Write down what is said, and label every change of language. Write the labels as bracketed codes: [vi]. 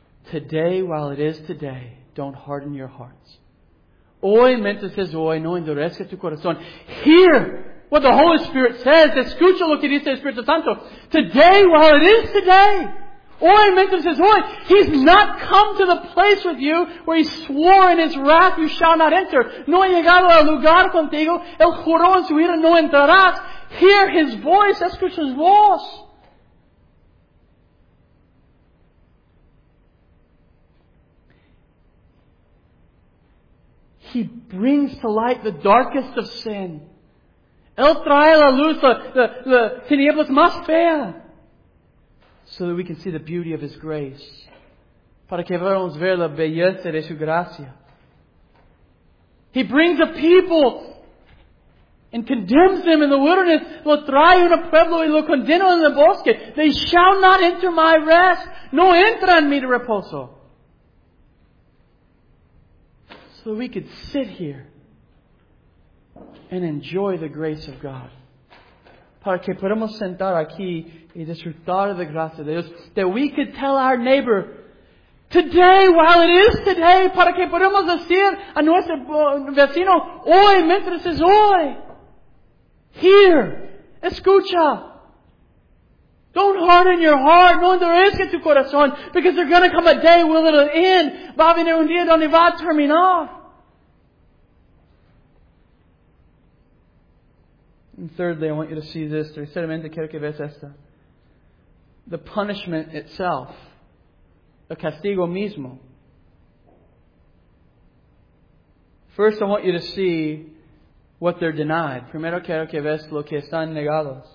[en] Today, while it is today, don't harden your hearts. [es] Hoy, mientras es hoy, no endurezca tu corazón. [en] Hear what the Holy Spirit says. [es] Escucha lo que dice el Espíritu Santo. [en] Today, while it is today. [es] Hoy, mientras es hoy. [en] He's not come to the place with you where He swore in His wrath you shall not enter. [es] No ha llegado al lugar contigo. Él juró en su ira no entrarás. [en] Hear His voice. [es] Escucha His voz. [en] He brings to light the darkest of sin. [es] Él trae la luz, la tinieblas más fea. [en] So that we can see the beauty of His grace. [es] Para que podamos ver la belleza de su gracia. [en] He brings a people and condemns them in the wilderness. [es] Lo trae un pueblo y lo condena en el bosque. [en] They shall not enter my rest. [es] No entran mi reposo. [en] So we could sit here and enjoy the grace of God. [es] Para que podamos sentar aquí y disfrutar de gracia de Dios. [en] That we could tell our neighbor, today, while it is today, [es] para que podamos decir a nuestro vecino, hoy, mientras es hoy. [en] Hear, [es] escucha. [en] Don't harden your heart. [es] No endurezca tu corazón. [en] Because there's going to come a day when it'll end. [es] Va a venir un día donde va a terminar. [en] And thirdly, I want you to see this. [es] Tercermente, quiero que veas esta. [en] The punishment itself. [es] El castigo mismo. [en] First, I want you to see what they're denied. [es] Primero, quiero que veas lo que están negados.